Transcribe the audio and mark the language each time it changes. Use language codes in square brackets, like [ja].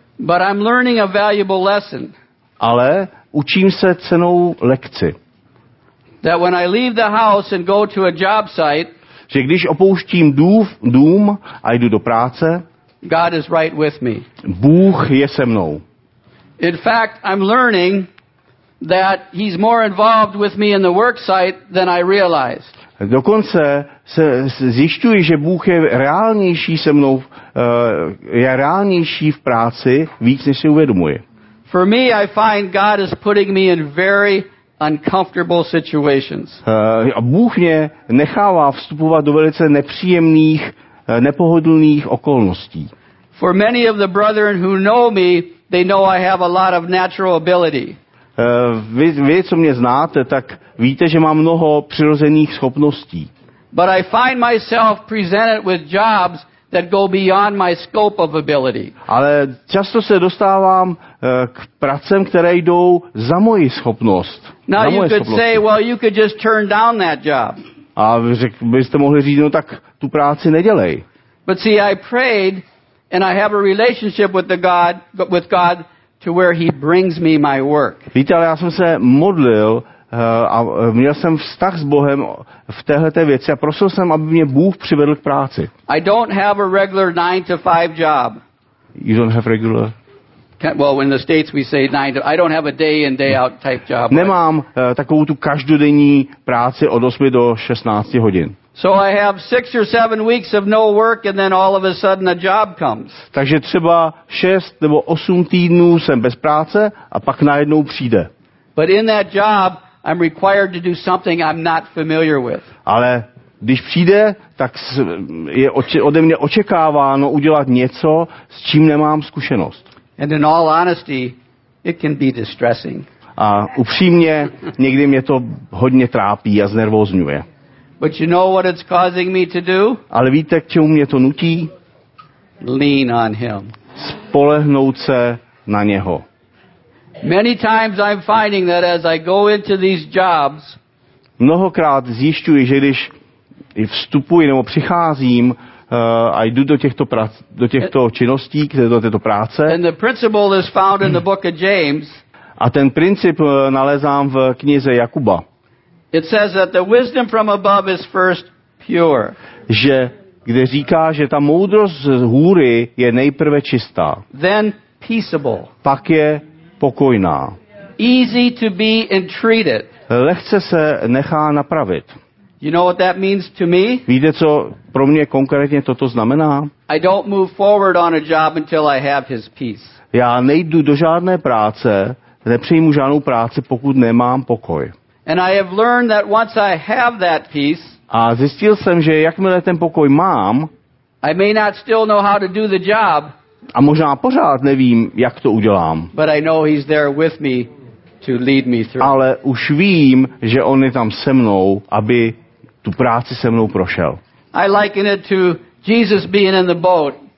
[en] But I'm learning a valuable lesson. [cs] Ale učím se cennou lekci. [en] That when I leave the house and go to a job site, [cs] že když opouštím dům a jdu do práce, [en] God is right with me. [cs] Bůh je se mnou. [en] In fact, I'm learning that he's more involved with me in the work site than I realized. [cs] Dokonce se zjišťuji, že Bůh je reálnější se mnou, je reálnější v práci víc, než si uvědomuji. [en] For me, I find God is putting me in very uncomfortable situations. [cs] Bůh mě nechává vstupovat do velice nepříjemných, nepohodlných okolností. [en] For many of the brethren who know me, they know I have a lot of natural ability. [cs] Vy, co mě znáte, tak víte, že mám mnoho přirozených schopností. [en] But I find myself presented with jobs that go beyond my scope of ability. [cs] Ale často se dostávám k pracem, které jdou za moji schopnost. [en] Now [cs] za [en] you could say, well, you could just turn down that job. [cs] A byste mohli říct, no tak tu práci nedělej. [en] But see, I prayed and I have a relationship with God to where he brings me my work. [cs] Víte, ale já jsem se modlil a měl jsem vztah s Bohem v téhleté věci a prosil jsem, aby mě Bůh přivedl k práci. [en] I don't have a regular 9-to-5 job. You don't have regular? Well, in the States we say 9-to-5. I don't have a day in, day out type job. [cs] Nemám takovou tu každodenní práci od 8 do 16 hodin. [en] So I have 6 or 7 weeks of no work and then all of a sudden a job comes. [cs] Takže třeba 6 nebo 8 týdnů jsem bez práce a pak najednou přijde. [en] But in that job I'm required to do something I'm not familiar with. [cs] Ale když přijde, tak je ode mě očekáváno udělat něco, s čím nemám zkušenost. [en] And in all honesty, it can be distressing. [cs] A upřímně, někdy mě to hodně trápí a znervozňuje. [en] But you know what it's causing me to do? [cs] Ale víte, k čemu mě to nutí? [en] Lean on him. [cs] Spolehnout se na něho. [en] Many times I'm finding that as I go into these jobs, [cs] mnohokrát zjišťuji, že když vstupuji nebo přicházím a jdu do těchto činností, do této práce, [en] and the principle is found in the book of James, [cs] a ten princip nalezám v knize Jakuba. [en] It says that the wisdom from above is first pure. [cs] Že, kde říká, že ta moudrost z hůry je nejprve čistá. [en] Then peaceable. [cs] Pak je pokojná. [en] Easy to be entreated. [cs] Lehce se nechá napravit. [en] You know what that means to me? [cs] Víte, co pro mě konkrétně toto znamená? [en] I don't move forward on a job until I have his peace. [cs] Já nejdu do žádné práce, nepřijmu žádnou práci, pokud nemám pokoj. [en] And I have learned that once I have that peace, [cs] a zjistil jsem, že jakmile ten pokoj mám, [en] I may not still know how to do the job, [cs] a možná pořád nevím, jak to udělám, [en] but I know he's there with me to lead me through. [cs] Ale už vím, že on je tam se mnou, aby tu práci se mnou prošel. [en] I liken it to Jesus being in the boat.